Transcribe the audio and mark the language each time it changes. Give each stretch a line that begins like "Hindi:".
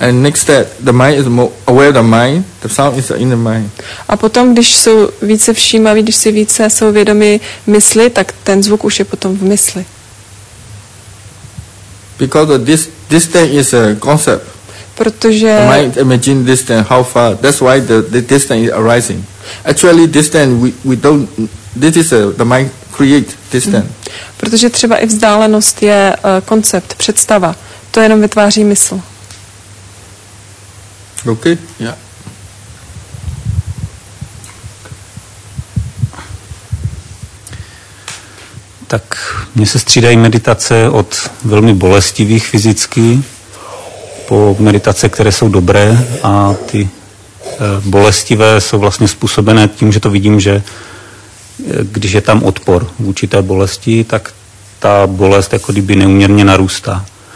English: And next step, the mind is more aware of the mind, the sound is in the mind.
Czech: A potom, když jsou více všímaví, když si více jsou vědomi mysli, tak ten zvuk už je potom v mysli.
English: Because of this thing is a concept.
Czech: Protože
English: the mind imagine this thing, how far, that's why the this thing is arising. Actually, this thing, we don't, this is the mind create this thing.
Czech: Protože třeba i vzdálenost je koncept, představa. To jenom vytváří mysl.
English: Okay, yeah.
Czech: Tak mně se střídají meditace od velmi bolestivých fyzicky po meditace, které jsou dobré, a ty bolestivé jsou vlastně způsobené tím, že to vidím, že když je tam odpor vůči té bolesti, tak ta bolest jako kdyby neuměrně narůstá.